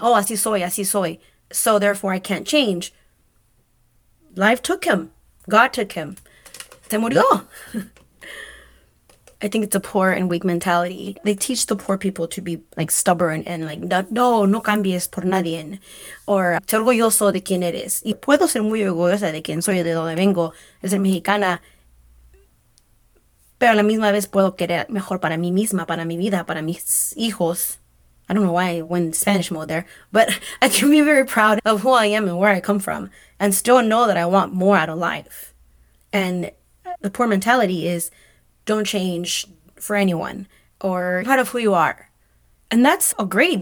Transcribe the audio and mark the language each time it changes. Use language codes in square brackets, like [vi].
[es] Oh, así soy, [en] so therefore I can't change. Life took him. God took him. [es] Se murió. [en] I think it's a poor and weak mentality. They teach the poor people to be like stubborn and like, [es] no, no cambies por nadie. Or, te orgulloso de quien eres. Y puedo ser muy orgullosa de quien soy, de donde vengo, de ser mexicana. Pero a la misma vez puedo querer mejor para mí misma, para mi vida, para mis hijos. [en] I don't know why I went in Spanish mode there. But I can be very proud of who I am and where I come from. And still know that I want more out of life. And the poor mentality is, don't change for anyone or proud of who you are. And that's a great.